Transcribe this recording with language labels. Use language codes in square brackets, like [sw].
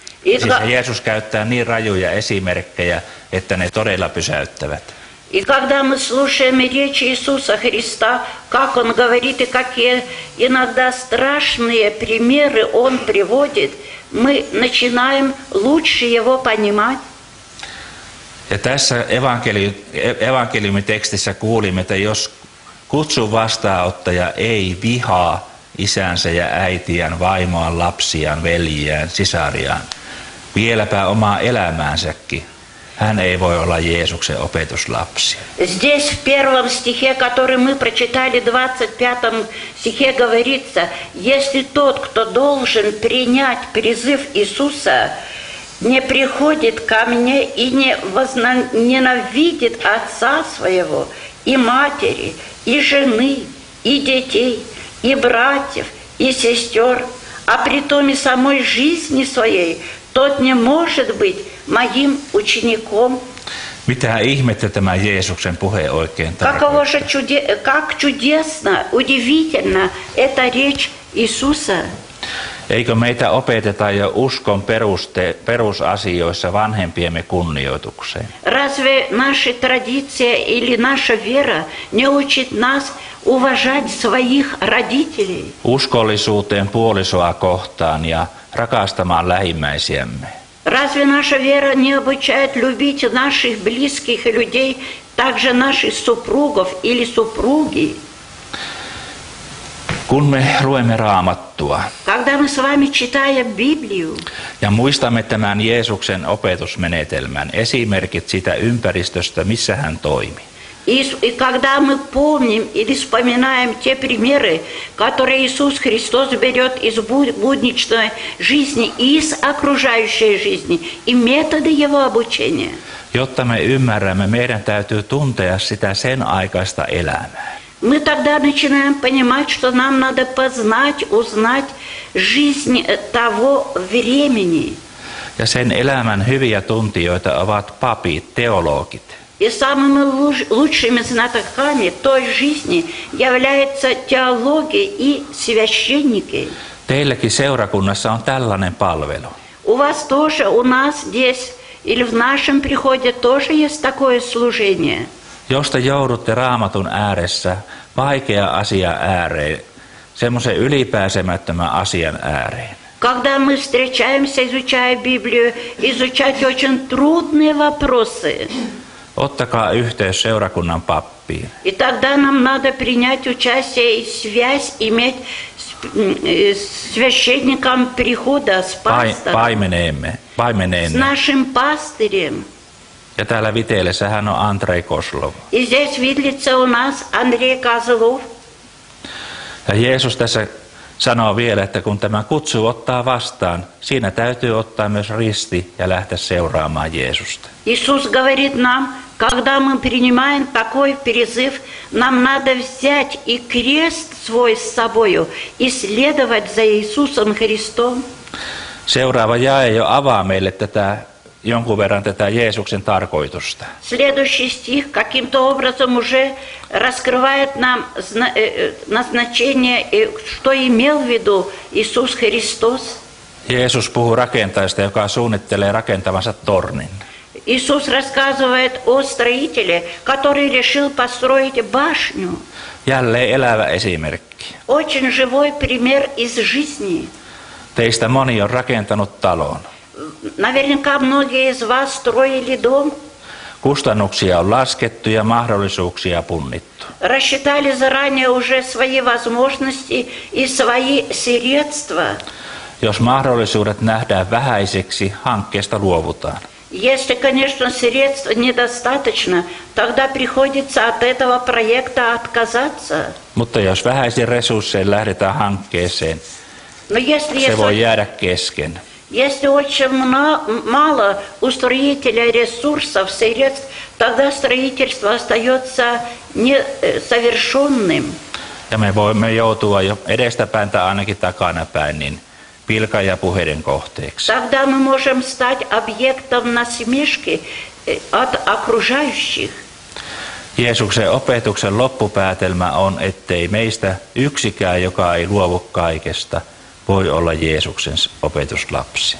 [fi] Siis Jeesus käyttää niin rajuja esimerkkejä, että ne todella pysäyttävät. [ru] И когда мы слушаем речи Иисуса Христа, как Он говорит и какие иногда страшные примеры Он приводит, мы начинаем лучше Его понимать. [fi] Ja tässä evankeliumitekstissä kuulimme, että jos kutsun vastaanottaja ei vihaa isänsä ja äitiään, vaimoaan, lapsiaan, veljiään, sisariaan, vieläpä omaa elämäänsäkin, hän ei voi olla Jeesuksen opetuslapsi. [ru] Здесь в первом стихе, который мы прочитали, 25 стихе говорится: если тот, кто должен принять призыв Иисуса, не приходит ко мне и не ненавидит отца своего и матери, и жены, и детей, и братьев, и сестер, а притом и самой жизни своей, тот не может быть моим учеником. [fi] Mitä ihmettä tämä Jeesuksen puhe oikein tarkoittaa? [ru] Как чудесно, удивительно эта речь Иисуса. [fi] Eikö meitä opeteta jo uskon perusasioissa vanhempiemme kunnioitukseen? [ru] Разве наши традиции или наша вера не учит нас уважать своих родителей? [fi] Uskollisuuteen puolisoa kohtaan ja rakastamaan lähimmäisiämme. [ru] Разве наша вера не обучает любить наших близких людей, также наших супругов или супруги? [fi] Kun me luemme Raamattua. [ru] Когда мы с вами читаем Библию. [fi] Ja muistamme tämän Jeesuksen opetusmenetelmän, esimerkit sitä ympäristöstä, missä hän toimi. [ru] И когда мы помним или вспоминаем те примеры, которые Иисус Христос берет из будничной жизни, из окружающей жизни, и методы Его обучения. [fi] Jotta me ymmärrämme, meidän täytyy tuntea sitä sen aikaista elämää. [ru] Мы тогда начинаем понимать, что нам надо познать, узнать жизнь того времени. [fi] Ja sen elämän hyviä tuntijoita ovat papit, teologit. [ru] И самыми лучшими знатоками той жизни являются теологи и священники. [fi] Teilläkin seurakunnassa on tällainen palvelu. [ru] У вас тоже, у нас здесь или в нашем приходе тоже есть такое служение. [fi] Jos te joudutte Raamatun ääressä, vaikea asia ääreen, semmoisen ylipääsemättömän asian ääreen. [ru] Когда мы встречаемся, изучая Библию, изучать очень трудные вопросы. [fi] Ottakaa yhteys seurakunnan pappiin. [ru] И тогда нам надо принять участие и связь иметь с священником прихода, с пастором. [fi] Paimeneemme. [ru] С нашим пастырем. [fi] Ja täällä Vitelessä hän on Andrei Kozlov. [ru] И здесь Видлица у нас Андрей Козлов. [fi] Ja Jeesus tässä sanoo vielä, että kun tämä kutsu ottaa vastaan, siinä täytyy ottaa myös risti ja lähteä seuraamaan Jeesusta. [ru] Иисус говорит нам, когда мы принимаем такой призыв, нам надо взять и крест свой с собою и следовать за Иисусом Христом. [fi] Seuraava jae jo avaa meille tätä jonkun verran tätä Jeesuksen tarkoitusta. [ru] Следующий стих каким-то образом уже раскрывает нам назначение, что имел в виду Иисус Христос. [fi] Jeesus puhuu rakentajasta, joka suunnittelee rakentavansa tornin. [ru] Иисус рассказывает о строителе, который решил построить башню. [fi] Jälleen elävä esimerkki. [ru] Очень живой пример из жизни. [fi] Teistä moni on rakentanut talon. [ru] Наверняка многие из вас строили дом. [fi] Kustannuksia on laskettu ja mahdollisuuksia punnittu. [ru] Рассчитали заранее уже свои возможности и свои средства. [fi] Jos mahdollisuudet nähdään vähäiseksi, hankkeesta luovutaan. [ru] Если, конечно, средств недостаточно, тогда приходится от этого проекта отказаться. [fi] Mutta jos vähäisin resurssein lähdetään hankkeeseen, se voi jäädä kesken. [ru] Если очень мало у строителя ресурсов, средств, тогда строительство остается несовершенным. [fi] Ja me voimme joutua jo edestäpäin tai ainakin takanapäin, niin pilka ja puheiden kohteeksi. [ru] Тогда мы можем стать объектом насмешки от окружающих. [fi] Jeesuksen opetuksen loppupäätelmä on, ettei meistä yksikään, joka ei luovu kaikesta, voi olla Jeesuksen opetuslapsi.